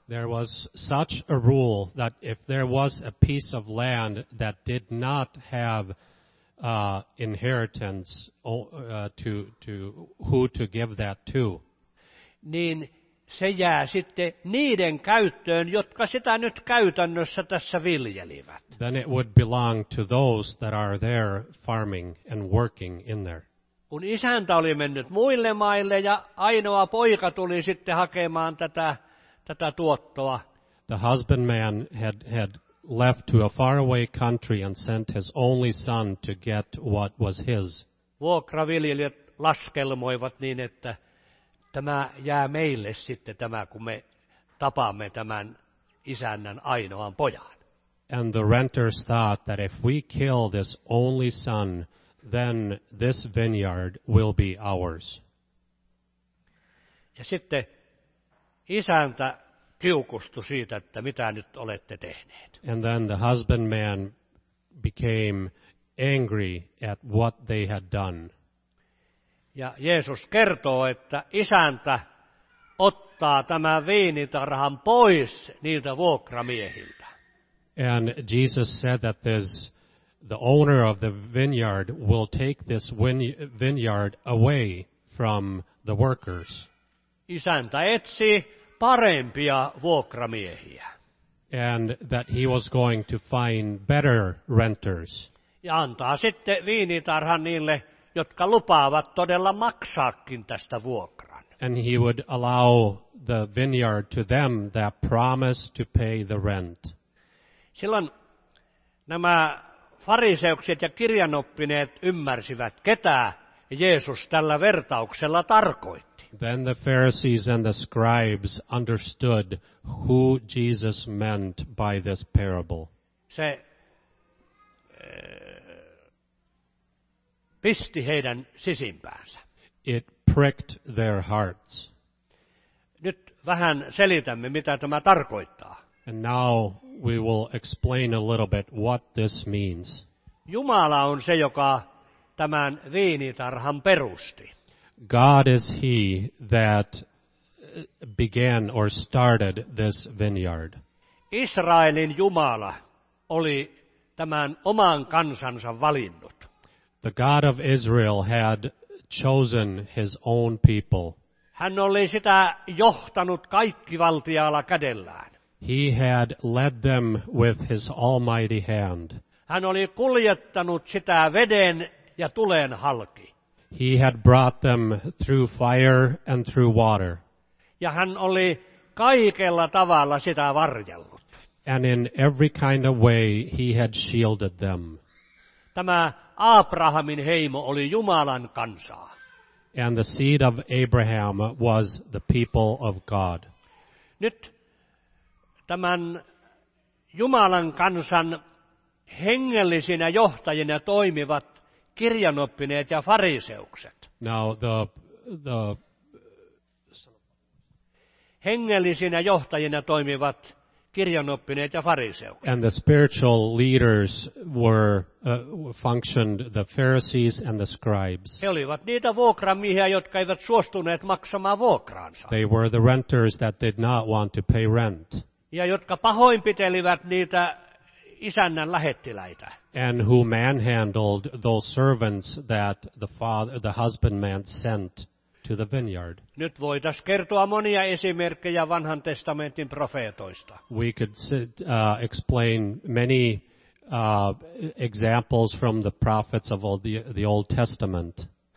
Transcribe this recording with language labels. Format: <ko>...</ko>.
<en>There was such a rule that if there was a piece of land that did not have inheritance to who to give that to,</en> <fi>niin se jää sitten niiden käyttöön, jotka sitä nyt käytännössä tässä viljelivät.</fi> <en>Then it would belong to those that are there farming and working in there.</en> <fi>Kun isäntä oli mennyt muille maille ja ainoa poika tuli sitten hakemaan tätä tuottoa.</fi> <en>The husbandman had left to a faraway country and sent his only son to get what was his.</en> <fi>Vuokraviljelijät laskelmoivat niin, että tämä jää meille sitten tämä, kun me tapaamme tämän isännän ainoan pojan.</fi> <en>And the renters thought that if we kill this only son, then this vineyard will be ours.</en> <fi>Ja sitten isäntä kiukustui siitä, että mitä nyt olette tehneet.</fi> <en>And then the husbandman became angry at what they had done.</en> <fi>Ja Jeesus kertoo, että isäntä ottaa tämän viinitarhan pois niiltä vuokramiehiltä.</fi> <en>And Jesus said that the owner of the vineyard will take this vineyard away from the workers.</en> <fi>Isäntä etsii parempia vuokramiehiä.</fi> <en>And that he was going to find better renters.</en> <fi>Ja antaa sitten viinitarhan niille, jotka lupaavat todella maksaakin tästä vuokran.</fi> <en>And he would allow the vineyard to them that promised to pay the rent.</en> <fi>Silloin nämä fariseukset ja kirjanoppineet ymmärsivät, ketä Jeesus tällä vertauksella tarkoitti.</fi> <en>Then the Pharisees and the scribes understood who Jesus meant by this parable.</en> <fi>Se pisti heidän sisimpäänsä.</fi> <en>It pricked their hearts.</en> <fi>Nyt vähän selitämme, mitä tämä tarkoittaa.</fi> <en>And now we will explain a little bit what this means.</en> <fi>Jumala on se, joka tämän viinitarhan perusti.</fi> <en>God is he that began or started this vineyard.</en> <fi>Israelin Jumala oli tämän oman kansansa valinnut.</fi> <en>The God of Israel had chosen his own people.</en> <fi>Hän oli sitä johtanut kaikkivaltiaalla kädellään.</fi> <en>He had led them with his almighty hand.</en> <fi>Hän oli kuljettanut sitä veden ja tulen halki.</fi> <en>He had brought them through fire and through water.</en> <fi>Ja hän oli kaikella tavalla sitä varjellut.</fi> <en>And in every kind of way he had shielded them.</en> <fi>Tämä Abrahamin heimo oli Jumalan kansaa.</fi> <en>And the seed of Abraham was the people of God.</en> <fi>Nyt tämän Jumalan kansan hengellisinä johtajina toimivat kirjanoppineet ja fariseukset.</fi> <en>Now the</en> <fi>hengellisinä johtajina toimivat kirjanoppineet ja fariseukset.</fi> <en>And the spiritual leaders were functioned the Pharisees and the scribes.</en> <fi>He olivat niitä vuokramiehiä, jotka eivät suostuneet maksamaan vuokraansa.</fi> <en>They were the renters that did not want to pay rent.</en> <fi>Ja jotka pahoinpitelivät niitä isännän lähettiläitä.</fi> <en>And who manhandled those servants that the husbandman sent to the vineyard.</en> <fi>Nyt voitaisiin kertoa monia esimerkkejä Vanhan testamentin profeetoista.</fi> <en>We could explain many examples from the prophets of the Old Testament.</en>